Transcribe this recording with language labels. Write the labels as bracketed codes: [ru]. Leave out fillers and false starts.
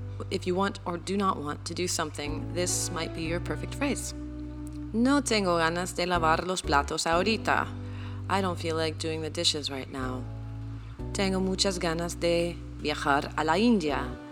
[en] If you want or do not want to do something, this might be your perfect phrase. [es] No tengo ganas de lavar los platos ahorita. [en] I don't feel like doing the dishes right now. [es] Tengo muchas ganas de viajar a la India.